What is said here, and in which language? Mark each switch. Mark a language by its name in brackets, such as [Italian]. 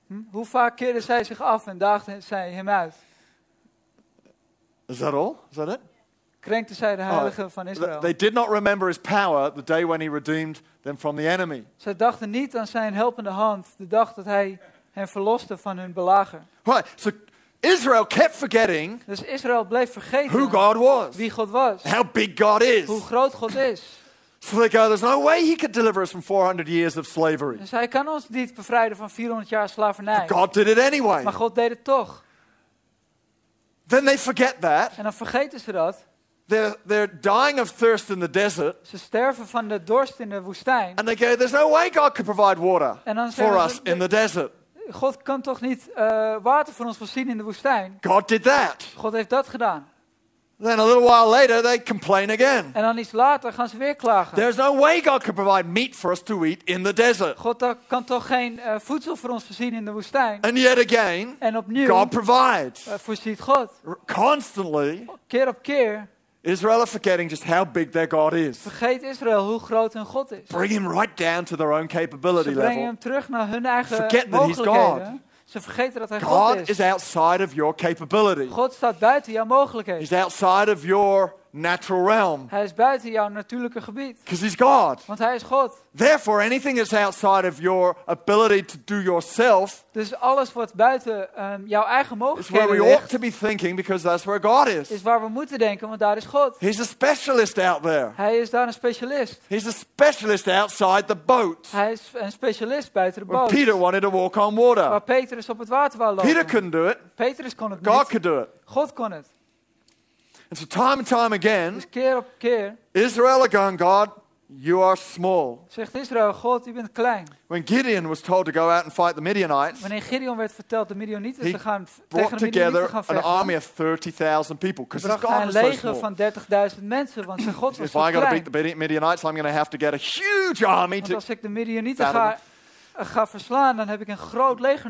[Dutch] Hoe vaak keerde zij zich af en daagde zij hem uit? [English] Is that all? Is that it? [Dutch] Krenkte zij de heilige van Israël. [English] They did not remember his power the day when he redeemed them from the enemy. [Dutch] Zij dachten niet aan zijn helpende hand de dag dat hij hen verloste van hun belager. [English] Right, so Israel kept forgetting. [Dutch] Dus Israël bleef vergeten [English] who God was. [Dutch] Wie God was. [English] How big God is. [Dutch] Hoe groot God is. [English] So they go, there's no way he could deliver us from 400 years of slavery. [Dutch] Dus hij kan ons niet bevrijden van 400 jaar slavernij. [English] But God did it anyway. [Dutch] Maar God deed het toch. [English] Then they forget that. [Dutch] En dan vergeten ze dat. [English] They're dying of thirst in the desert. [Dutch] Ze sterven van de dorst in de woestijn. [English] And they go, there's no way God could provide water for us in the desert. [Dutch] God kan toch niet water voor ons voorzien in de woestijn. [English] God did that. [Dutch] God heeft dat gedaan. [English] Then a little while later they complain again. [Dutch] En dan iets later gaan ze weer klagen. [English] There's no way God could provide meat for us to eat in the desert. [Dutch] God kan toch geen voedsel voor ons voorzien in de woestijn. [English] And yet again, [Dutch] en opnieuw, [English] God provides. [Dutch] Voorziet God. [English] Constantly, [Dutch] keer op keer, [English] Israel are forgetting just how big their God is. [Dutch] Vergeet Israël hoe groot hun God is. [English] Bring him right down to their own capability level. [Dutch] Ze brengen hem terug naar hun eigen [English] Forget that he's God. [Dutch] Ze vergeten dat hij God, [English] God Is outside of your capability. [Dutch] God staat buiten jouw mogelijkheden. [English] He's outside of your natural realm. [Dutch] Hij is buiten jouw natuurlijke gebied. [English] Because he's God. [Dutch] Want hij is God. [English] Therefore, anything that's outside of your ability to do yourself. [Dutch] Dus alles wat buiten jouw eigen mogelijkheden [English] is. Where we [Dutch] ligt, [English] ought to be thinking, because that's where God is. [Dutch] Is waar we moeten denken, want daar is God. [English] He's a specialist out there. [Dutch] Hij is daar een specialist. [English] He's a specialist outside the boat. [Dutch] Hij is een specialist buiten de boot. [English] Where Peter wanted to walk on water. [Dutch] Waar Petrus op het water wou lopen. [English] Peter couldn't do it. [Dutch] Petrus kon het [English] God God could do it. [Dutch] God kon het. [English] And so time and time again, [Dutch] dus keer op keer, [English] Israel again, God, you are small. [Dutch] Zegt Israël, God, u bent klein. [English] When Gideon was told to go out and fight the Midianites, [Dutch] wanneer Gideon werd verteld de Midianieten te gaan tegen de Midianieten gaan [English] brought together an army of 30,000 people, because his God was so small. [Dutch] Bracht een leger van 30.000 mensen, want zijn God was [English] If I got to beat the Midianites, I'm going to have to get a huge army [Dutch] want [English] to. [Dutch] Als ik de Midianieten ga verslaan, dan heb ik een groot leger